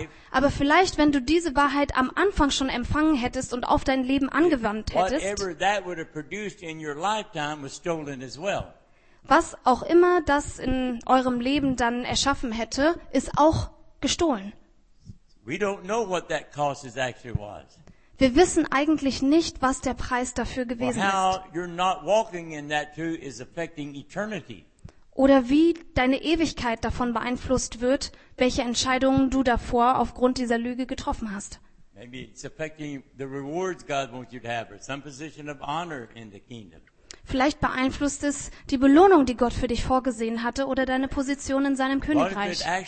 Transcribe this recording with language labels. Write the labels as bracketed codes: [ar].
[de] Aber vielleicht, wenn du diese Wahrheit am Anfang schon empfangen hättest und auf dein Leben angewandt hättest, was das in deinem Leben hätte, wurde gestohlen. Was auch immer das in eurem Leben dann erschaffen hätte, ist auch gestohlen. [en] We don't know what that cost is actually was. [de] Wir wissen eigentlich nicht, was der Preis dafür gewesen ist. [en] How you're not walking in that too is affecting eternity. [de] Oder wie deine Ewigkeit davon beeinflusst wird, welche Entscheidungen du davor aufgrund dieser Lüge getroffen hast. [en] Maybe it's affecting the rewards God wants you to have or some position of honor in the kingdom. [de] Vielleicht beeinflusst es die Belohnung, die Gott für dich vorgesehen hatte, oder deine Position in seinem Königreich.